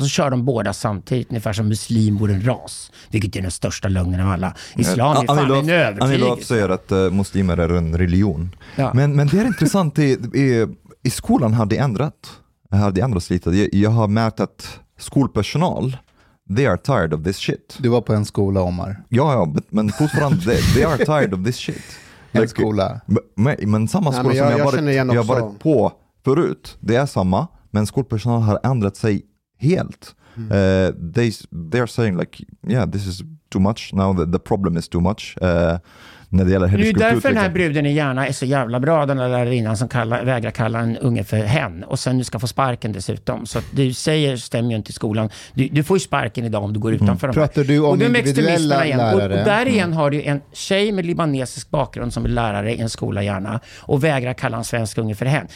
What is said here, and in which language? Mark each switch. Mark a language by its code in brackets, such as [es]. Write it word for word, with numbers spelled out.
[sv] Så kör de båda samtidigt, ungefär som muslim och en ras. Vilket är den största lögnen av alla. Islam är fan en övertygelse. Anilov säger att uh, muslimer är en religion. Ja. Men, men det är intressant, i, i, i skolan har det ändrat. Har det ändrats lite. Jag, jag har märkt att skolpersonal... [en] They are tired of this shit. [sv] Du var på en skola, Omar. Ja, ja men fortfarande [en] they, they are tired of this shit. [sv] En like, skola. Men, men samma skola Nej, men jag, som jag, jag, varit, jag har varit på förut. Det är samma. Men skolpersonal har ändrat sig helt. Mm. [en] Uh, they, they are saying like, yeah, this is too much. Now the, the problem is too much. Uh, [sv] Det, det är ju därför den här bruden i Järna är så jävla bra, den där lärarinnan som kallar, vägrar kalla en unge för hen och sen du ska få sparken dessutom, så att du säger stämmer ju inte i skolan, du, du får ju sparken idag om du går utanför. Mm. Pratar du om och individuella lärare? Och, och där igen har du en tjej med libanesisk bakgrund som är lärare i en skola i Järna och vägrar kalla en svensk unge för hen.